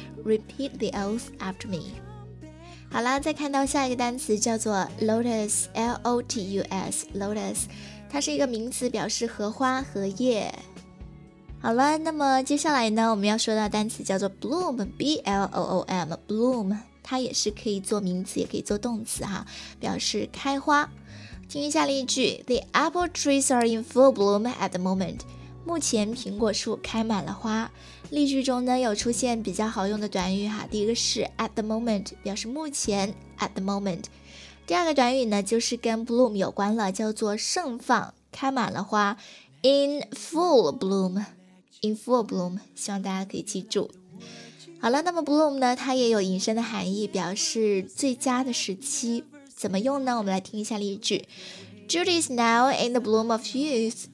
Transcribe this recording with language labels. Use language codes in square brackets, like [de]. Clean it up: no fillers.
[en] Repeat the oath after me. [zh] 好了，再看到下一个单词叫做 lotus, L-O-T-U-S, lotus. 它是一个名词，表示荷花、荷叶。好了，那么接下来呢，我们要说到单词叫做 bloom, B-L-O-O-M, bloom. 它也是可以做名词，也可以做动词哈，表示开花。听一下例句 [en] The apple trees are in full bloom at the moment. [zh] 目前苹果树开满了花。例句中呢有出现比较好用的短语哈，第一个是 [en] at the moment, [zh] 表示目前 at the moment. 第二个短语呢就是跟 bloom 有关了，叫做盛放，开满了花 [en] in full bloom, in full bloom, [zh] 希望大家可以记住。好了，那么 bloom 呢它也有引申的含义，表示最佳的时期。怎么用呢？我们来听一下例句。 [en] Judy is now in the bloom of youth.